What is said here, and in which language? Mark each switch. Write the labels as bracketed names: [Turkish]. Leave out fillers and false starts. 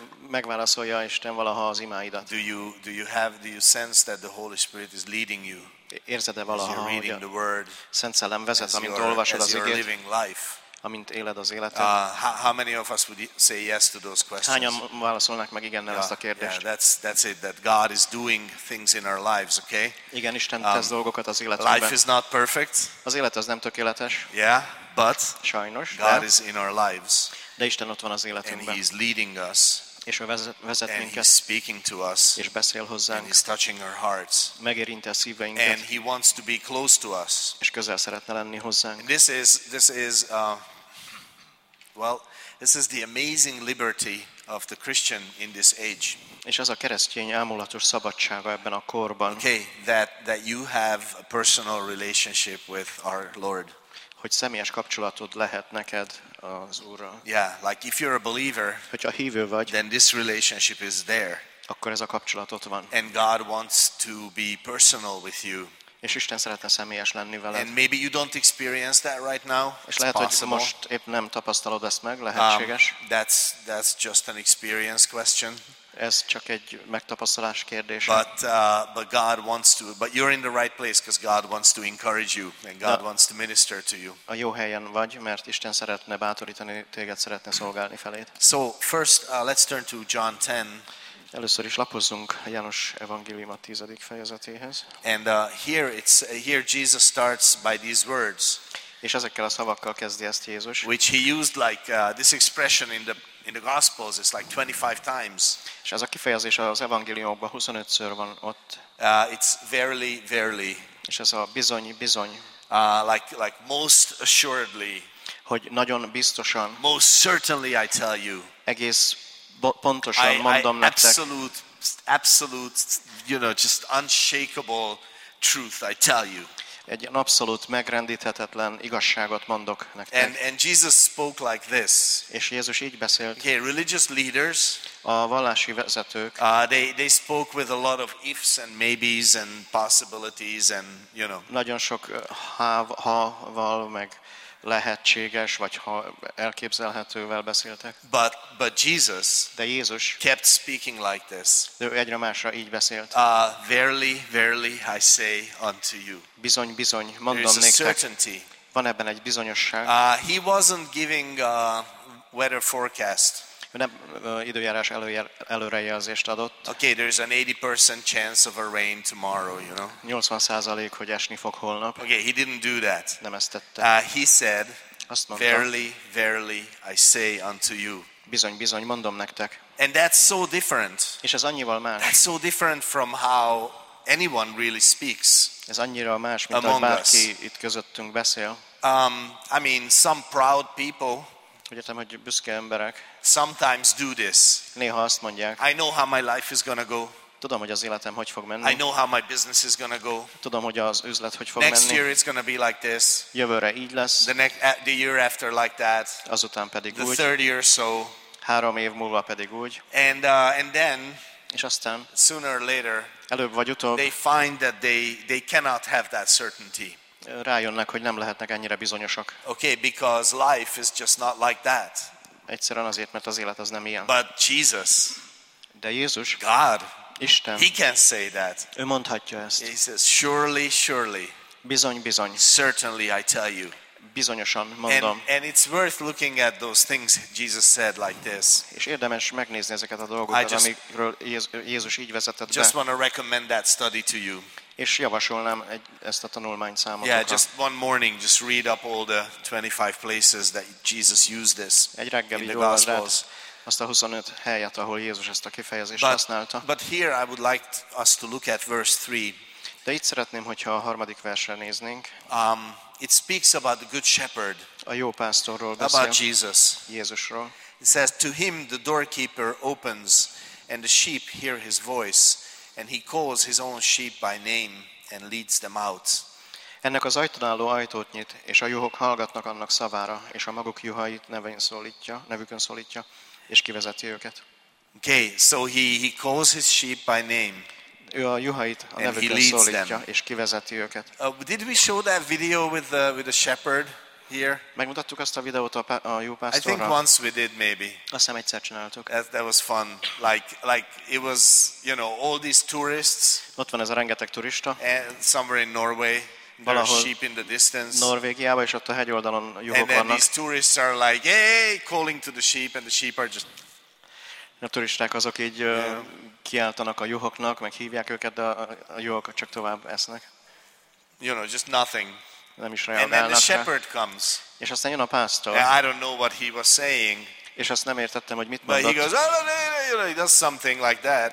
[Hungarian] Megválaszolja Isten valaha az imáidat? [English] Do you sense that the Holy Spirit is leading you? [Hungarian] Érzed-e valaha, hogy [English] reading the word, [Hungarian] Szent Szellem vezet, amint olvasod az igét, amint éled az életed? [English] How many of us would say yes to those questions? [Hungarian] Hányan válaszolnak meg igennel ezt a kérdést? [English] Yeah, that's it, that God is doing things in our lives, okay? [Hungarian] Igen, Isten tesz dolgokat az életünkben. [English] Life is not perfect. [Hungarian] Az élet az nem tökéletes. [English] Yeah. But [Hungarian] sajnos, [English] God [Hungarian] de, [English] is in our lives. [Hungarian] De Isten ott van az életünkben. [English] And he is leading us. [Hungarian] És ő vezet minket. [English] And he is speaking to us. [Hungarian] És beszél hozzánk. [English] And he is touching our hearts. [Hungarian] Megérinti a szíveinket. [English] And he wants to be close to us. [Hungarian] És közel szeretne lenni hozzánk. [English] And this is the amazing liberty of the Christian in this age. [Hungarian] És az a keresztény álmulatos szabadsága ebben a korban. [English] Okay, that you have a personal relationship with our Lord. [Hungarian] Hogy személyes kapcsolatod lehet neked az Úrral. [English] Yeah, like if you're a believer, [Hungarian] hogyha hívő vagy, [English] then this relationship is there. [Hungarian] Akkor ez a kapcsolat ott van. [English] And God wants to be personal with you. [Hungarian] És Isten szeretne személyes lenni veled. [English] And maybe you don't experience that right now. [Hungarian] És lehet, hogy most épp nem tapasztalod ezt meg, lehetséges. [English] That's just an experience question. [Hungarian] Ez csak egy megtapasztalás kérdése. [English] But God wants to, but you're in the right place because God wants to encourage you and God wants to minister to you. [Hungarian] A jó helyen vagy, mert Isten szeretne bátorítani téged, szeretne szolgálni feléd. [English] So first let's turn to John 10. [Hungarian] Először is lapozzunk a János evangélium a 10. fejezetéhez. [English] And here Jesus starts by these words. [Hungarian] És ezekkel a szavakkal kezdi ezt Jézus. [English] Which he used like this expression in the Gospels it's like 25 times. [Hungarian] És ez a kifejezés az evangéliumokban 25-ször van ott. [English] It's verily, verily. [Hungarian] És ez a bizony, bizony. [English] Like most assuredly. [Hungarian] Hogy nagyon biztosan. [English] Most certainly I tell you. [Hungarian] Egész pontosan mondom nektek. [English] Absolute, you know, just unshakable truth I tell you. [Hungarian] egy abszolút megrendíthetetlen igazságot mondok nektek. [English] And Jesus spoke like this. [Hungarian] És Jézus így beszélt. [English] Okay, religious leaders, [Hungarian] a vallási vezetők, [English] they spoke with a lot of ifs and maybes and possibilities and you know. [Hungarian] Nagyon sok ha-val meg lehetséges vagy ha elképzelhetővel beszéltek. [English] But Jesus, [Hungarian] de Jézus [English] kept speaking like this. [Hungarian] De egyre másra így beszélt. [English] Verily, verily I say unto you. [Hungarian] Bizony, bizony, mondom nektek. [English] There is a certainty. [Hungarian] Van ebben egy bizonyosság. [English] He wasn't giving a weather forecast. [Hungarian] Nem időjárás előrejelzést adott. [English] Okay, there is an 80% chance of a rain tomorrow, you know. [Hungarian] 80%, hogy esni fog holnap. [English] Okay, he didn't do that. [Hungarian] Nem ezt tette. [English] He said, [Hungarian] azt mondta, [English] verily, verily, I say unto you. [Hungarian] Bizony, bizony, mondom nektek. [English] And that's so different. [Hungarian] És ez annyival más. [English] That's so different from how anyone really speaks. [Hungarian] Ez annyira más, mint ahogy bárki itt közöttünk beszél. [English] I mean, some proud people. [Hungarian] Ugyetem, hogy büszke emberek. [English] Sometimes do this. [Hungarian] Néha azt mondják. [English] I know how my life is gonna go. [Hungarian] Tudom, hogy az életem hogy fog menni. [English] I know how my business is gonna go. [Hungarian] Tudom, hogy az üzlet hogy fog [English] next [Hungarian] menni. [English] Next year it's gonna be like this. [Hungarian] Jövőre így lesz. [English] The year after like that. [Hungarian] Azután pedig [English] the [Hungarian] úgy. [English] The third year so. [Hungarian] Három év múlva pedig úgy. [English] And then. [Hungarian] És aztán. [English] Sooner or later. [Hungarian] Előbb vagy utóbb. [English] They find that they cannot have that certainty. [Hungarian] Rájönnek, hogy nem lehetnek ennyire bizonyosak. [English] Okay, because life is just not like that. [Hungarian] Egyszerűen azért, mert az élet az nem ilyen. [English] But Jesus, [Hungarian] de Jézus, [English] God, [Hungarian] Isten, [English] he can say that. [Hungarian] Ő mondhatja ezt. [English] He says, surely, surely. [Hungarian] Bizony, bizony. [English] Certainly, I tell you. [Hungarian] Bizonyosan mondom. [English] And it's worth looking at those things Jesus said like this. [Hungarian] És érdemes megnézni ezeket a dolgokat, amikről Jézus így vezetett be. [English] Just want to recommend that study to you. [Hungarian] És javasolnám ezt a tanulmány számotokra. [English] Yeah, just one morning, just read up all the 25 places that Jesus used this. [Hungarian] Egy reggeli jól van rád azt a 25 helyet, ahol Jézus ezt a kifejezést használta. [English] But here I would like us to look at verse 3. [Hungarian] De itt szeretném, hogyha a harmadik versre néznénk. [English] It speaks about the good shepherd. [Hungarian] A jó pásztorról beszél. [English] About Jesus. [Hungarian] Jézusról. [English] It says, to him the doorkeeper opens, and the sheep hear his voice. And he calls his own sheep by name and leads them out. [Hungarian] Ennek az ajtónáló ajtót nyit, és a juhok hallgatnak annak szavára, és a maguk juhait nevükön szólítja, és kivezeti őket. [English] Okay, so he calls his sheep by name. [Hungarian] Ő a juhait a nevükön szólítja, és kivezeti őket. [English] Did we show that video with the shepherd here? [Hungarian] Megmutattuk azt a videót a juhpásztorral. [English] I think once we did maybe. [Hungarian] Azt hiszem egyszer csináltuk. [English] That was fun. Like it was, you know, all these tourists. [Hungarian] Ott van ez a rengeteg turista. [English] Somewhere in Norway, [Hungarian] valahol [English] sheep in the distance. [Hungarian] Norvégiában és ott a hegyoldalon juhok vannak. [English] And then these tourists are like, hey, calling to the sheep, and the sheep are just. [Hungarian] A turisták azok így kiáltanak a juhoknak, meg hívják őket, de a juhok csak tovább esznek. [English] You know, just nothing. [Hungarian] Nem is reagálnak. [English] And then the shepherd comes. [Hungarian] És aztán jön a pásztor. [English] I don't know what he was saying. [Hungarian] És azt nem értettem, hogy mit mondott. [English] But he does something like that.